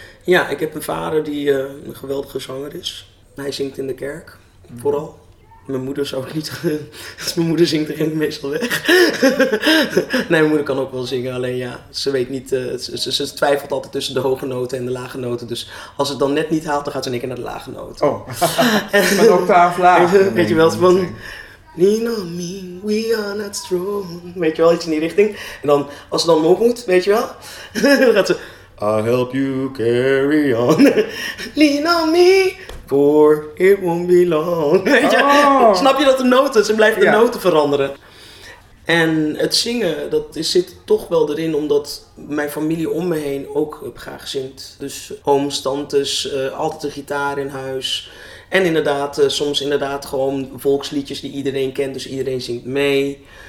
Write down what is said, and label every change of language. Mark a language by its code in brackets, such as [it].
[nl] Ja, ik heb een vader die een geweldige zanger is. Hij zingt in de kerk, vooral. Mijn moeder zou ook niet... Als mijn moeder zingt, dan ging het meestal weg. Nee, mijn moeder kan ook wel zingen. Alleen ja, ze weet niet... Ze twijfelt altijd tussen de hoge noten en de lage noten. Dus als het dan net niet haalt, dan gaat ze een keer naar de lage noten. Oh, en, een octaaf laag. Weet je wel, van... [en] Nino, me, we are not strong. [nl] Weet je wel, iets in die richting. En dan, als ze dan omhoog moet, weet je wel. Dan gaat ze... [en] I'll help you carry on. Lean on me, for it won't be long. [nl] Weet je? Oh. Snap je dat de noten, ze blijven de noten veranderen. En het zingen, dat zit toch wel erin, omdat mijn familie om me heen ook graag zingt. Dus ooms, tantes, altijd de gitaar in huis... En inderdaad, soms inderdaad gewoon volksliedjes die iedereen kent, dus iedereen zingt mee.